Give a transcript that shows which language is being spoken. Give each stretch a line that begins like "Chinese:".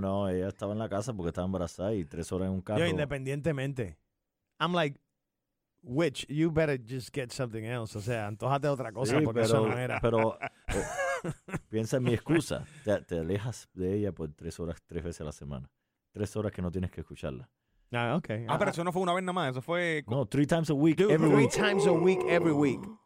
Spanish: No, ella estaba en la casa porque estaba embarazada y 3 horas en un carro. Yo, independientemente.
English: I'm like, witch, you better just get something else.
Spanish: O sea, antójate otra cosa, sí, porque pero, eso no era. Pero piensa en mi excusa. Te alejas de ella por 3 horas, 3 veces a la semana. 3 horas que no tienes que escucharla. Ah, okay. Ah, pero eso no fue una vez nada más. Eso fue...
English: No, 3 times a week, dude, every week. 3 times a week, every week.